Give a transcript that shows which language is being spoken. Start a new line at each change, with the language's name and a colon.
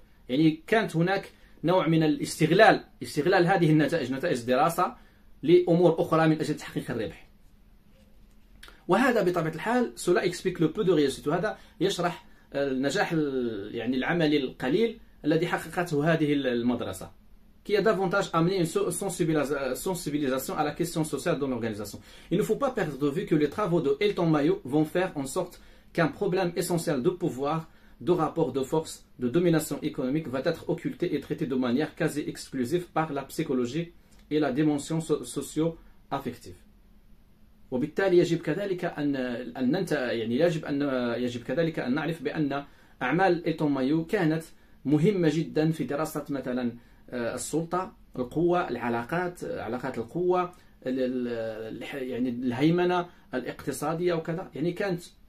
Arabic: يعني كانت هناك نوع من الاستغلال، استغلال هذه النتائج، نتائج الدراسه، لامور اخرى من اجل تحقيق الربح. وهذا بطبيعه الحال
French: سولا اكسبيك لو بو دو ريوسيت،
Arabic: وهذا يشرح النجاح يعني العملي القليل الذي حققته هذه المدرسه.
French: qui a davantage amené une sensibilisation à la question sociale dans l'organisation. Il ne faut pas perdre de vue que les travaux de Elton Mayo vont faire en sorte qu'un problème essentiel de pouvoir, de rapport de force, de domination économique va être occulté et traité de manière quasi exclusive par la psychologie et la dimension socio-affective.
Arabic: وبالتالي يجب كذلك أن ننت يعني يجب أن يجب كذلك أن نعرف بأن أعمال إلتون مايو كانت مهمة جدا في دراسة مثلا السلطة، القوة، العلاقات، علاقات القوة، يعني الهيمنة الاقتصادية وكذا، يعني كانت